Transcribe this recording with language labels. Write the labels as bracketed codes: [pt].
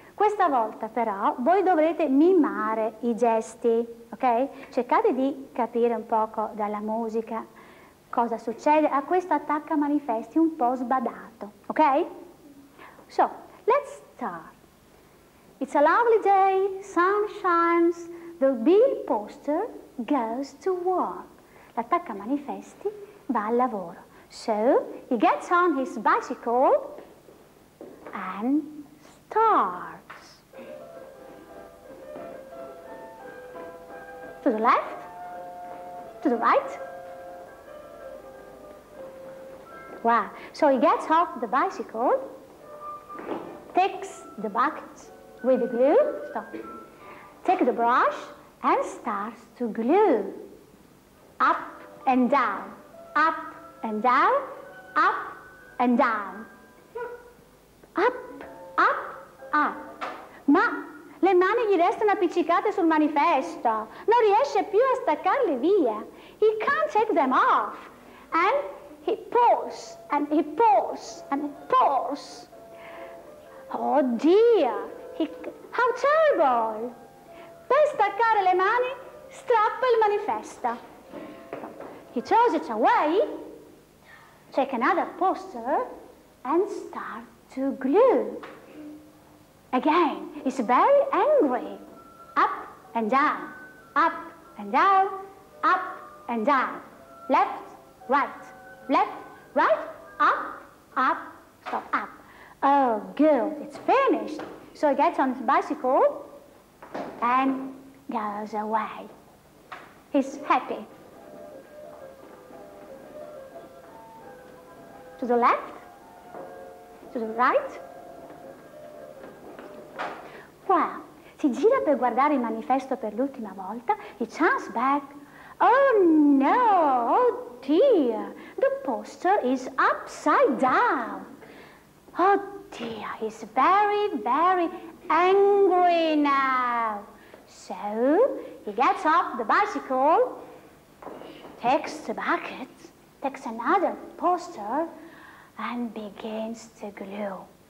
[it] Questa volta però voi dovrete mimare i gesti, ok? Cercate di capire un poco dalla musica cosa succede a questo attacca manifesti un po' sbadato, ok? [en] So, let's start. It's a lovely day, sun shines, the bill poster goes to work. [it] L'attacca manifesti va al lavoro. [en] So, he gets on his bicycle and starts. To the left, all right. Wow. So he gets off the bicycle, takes the bucket with the glue, stop. Take the brush and starts to glue up and down, up and down, up and down. Up, up, up. [it] Ma le mani gli restano appiccicate sul manifesto. Non riesce più a staccarle via. [en] He can't take them off. And he pulls, and he pulls, and he pulls. Oh dear, how terrible. [it] Per staccare le mani, strappa il manifesto. [en] He throws it away, take another poster, and start to glue. Again, he's very angry. Up and down, up and down, up and down. Left, right. Left, right, up, up, stop, up. Oh, good, it's finished. So he gets on his bicycle and goes away. He's happy. To the left, to the right. [it] Wow, si gira per guardare il manifesto per l'ultima volta, [en] he turns back. Oh no, oh dear, the poster is upside down. Oh dear, he's very, very angry now. So, he gets off the bicycle, takes the bucket, takes another poster, and begins to glue.